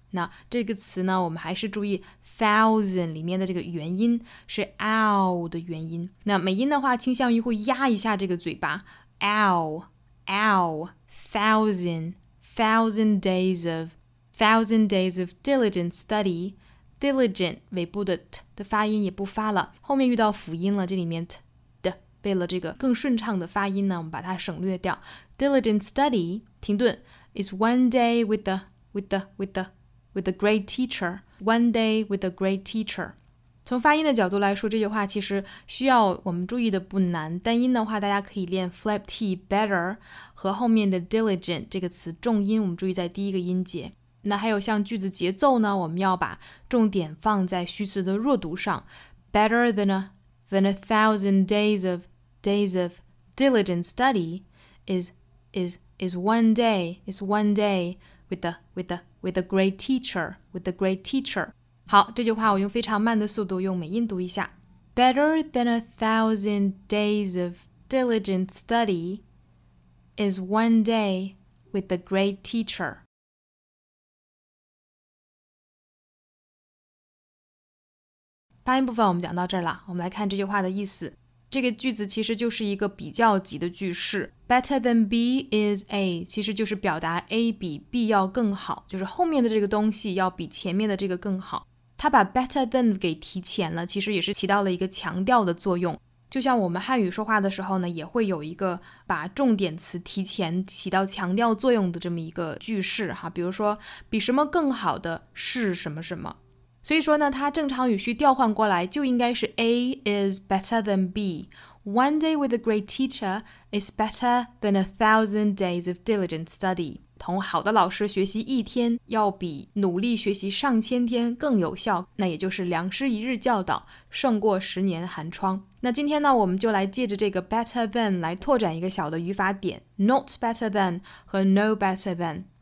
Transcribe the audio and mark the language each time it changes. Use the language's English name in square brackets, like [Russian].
[Chinese] 那这个词呢我们还是注意 thousand 里面的这个元音是 ow 的元音，那美音的话倾向于会压一下这个嘴巴 ow thousand days of diligent study， diligent 尾部的 t 的发音也不发了，后面遇到辅音了，这里面 t 的为了这个更顺畅的发音呢，我们把它省略掉。 [English] Diligent study, 停顿 is one day with a great teacher. [Chinese] One day with a great teacher. 从发音的角度来说，这句话其实需要我们注意的不难，单音的话大家可以练 flap t better 和后面的 diligent 这个词重音，我们注意在第一个音节。 [English] 那还有像句子节奏呢，我们要把重点放在虚词的弱读上， better than a thousand days of diligent study is one day with a great teacher. [Chinese] 好，这句话我用非常慢的速度用美音读一下。 [English] Better than a thousand days of diligent study is one day with a great teacher. [Chinese] 发音部分我们讲到这儿了，我们来看这句话的意思。这个句子其实就是一个比较级的句式。 Better than B is A, 其实就是表达 A 比 B 要更好，就是后面的这个东西要比前面的这个更好。他把 better than 给提前了，其实也是起到了一个强调的作用。就像我们汉语说话的时候呢，也会有一个把重点词提前起到强调作用的这么一个句式哈，比如说比什么更好的是什么什么。所以说呢，它正常语序调换过来就应该是 A is better than B. [English] One day with a great teacher is better than a thousand days of diligent study. [Chinese] 同好的老师学习一天要比努力学习上千天更有效，那也就是良师一日教导胜过十年寒窗。那今天呢，我们就来借着这个 better than 来拓展一个小的语法点， not better than 和 no better than。